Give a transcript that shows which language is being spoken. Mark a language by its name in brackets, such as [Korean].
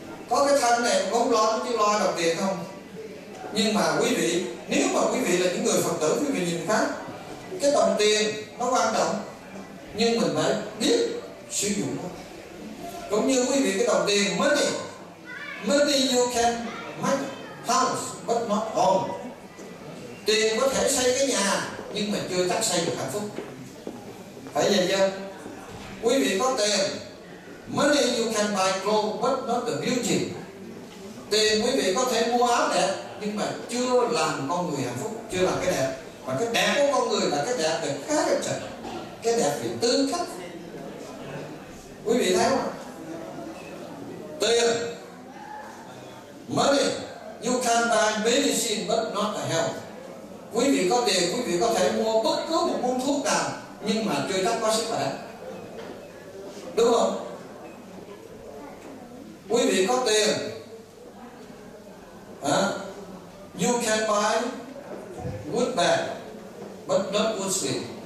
[Vietnamese] Có cái thân này cũng lo, chứ lo đồng tiền không. Nhưng mà quý vị, nếu mà quý vị là những người Phật tử, quý vị nhìn khác, cái đồng tiền nó quan trọng, nhưng mình phải biết sử dụng nó. Cũng như quý vị, cái đồng tiền [English] money, money you can make house but not home. [Vietnamese] Tiền có thể xây cái nhà nhưng mà chưa chắc xây được hạnh phúc. Phải vậy chưa? Quý vị có tiền, [English] money you can buy clothes but not the beauty. [Vietnamese] Tiền quý vị có thể mua áo đẹp nhưng mà chưa làm con người hạnh phúc, chưa làm cái đẹp. Mà cái đẹp của con người là cái đẹp về character, cái đẹp về tư cách. Quý vị thấy không? [English] Tiền, money, you can buy medicine but not the health. [Vietnamese] Quý vị có tiền, quý vị có thể mua bất cứ một món thuốc nào nhưng mà chưa chắc có sức khỏe, đúng không? Quý vị có tiền, [English] you can buy wood bed but not wood sleep.